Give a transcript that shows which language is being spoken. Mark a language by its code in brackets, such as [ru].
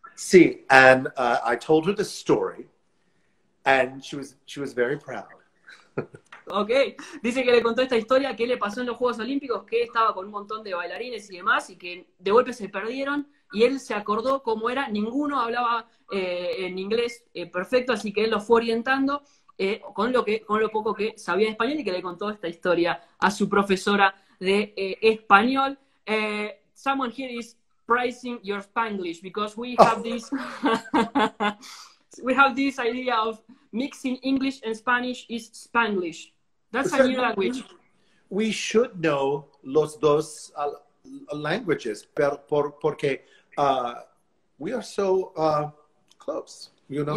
[es] Sí, [en] and I told her the story, and she was very proud. [es] Okay, dice que le contó esta historia que le pasó en los Juegos Olímpicos, que estaba con un montón de bailarines y demás, y que de golpe se perdieron, y él se acordó cómo era, ninguno hablaba en inglés perfecto, así que él lo fue orientando con lo poco que sabía de español, y que le contó esta historia a su profesora de español. [en] Someone here is praising your Spanglish because we have this we have this idea of mixing English and Spanish is Spanglish. That's a new language. We should know [es] los dos [en] languages, [es] porque [en] we are so close, you know.